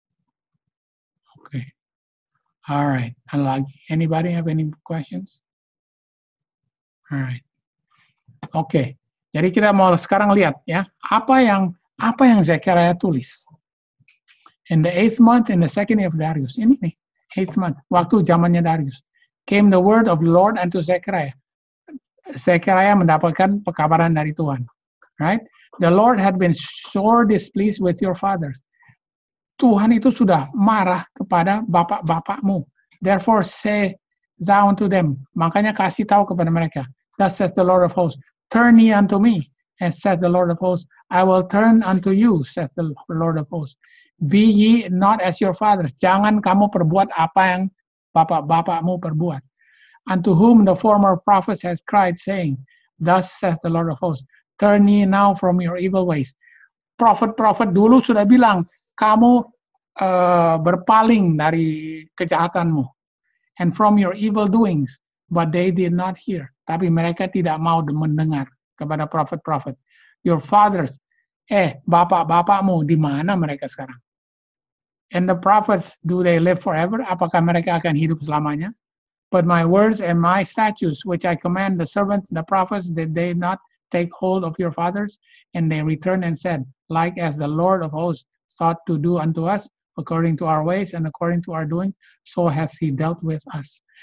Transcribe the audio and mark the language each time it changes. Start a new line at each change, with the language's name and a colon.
Indonesian: Iya.
English: Oke. Alright.
Indonesian: Ada lagi?
English: Anybody have any questions? Alright. Oke.
Indonesian: Jadi kita mau sekarang lihat ya apa yang Zechariah tulis.
English: In the eighth month, in the second year of Darius.
Indonesian: Ini nih.
English: Eighth month.
Indonesian: Waktu zamannya Darius.
English: Came the word of the Lord unto Zechariah.
Indonesian: Zechariah mendapatkan pekabaran dari Tuhan.
English: Right? The Lord had been sore displeased with your fathers.
Indonesian: Tuhan itu sudah marah kepada bapak-bapakmu.
English: Therefore say thou unto them.
Indonesian: Makanya kasih tahu kepada mereka.
English: Thus saith the Lord of hosts. Turn ye unto me. And saith the Lord of hosts. I will turn unto you. Saith the Lord of hosts. Be ye not as your fathers.
Indonesian: Jangan kamu perbuat apa yang bapak-bapakmu perbuat.
English: Unto whom the former prophets has cried saying. Thus saith the Lord of hosts. Turn ye now from your evil ways.
Indonesian: Prophet-prophet dulu sudah bilang, kamu berpaling dari kejahatanmu.
English: And from your evil doings. But they did not hear.
Indonesian: Tapi mereka tidak mau mendengar kepada prophet-prophet.
English: Your fathers,
Indonesian: bapak-bapakmu, di mana mereka sekarang?
English: And the prophets, do they live forever?
Indonesian: Apakah mereka akan hidup selamanya?
English: But my words and my statutes, which I command the servants, the prophets, that they not take hold of your fathers, and they return and said, like as the Lord of hosts thought to do unto us, according to our ways and according to our doing, so has he dealt with us.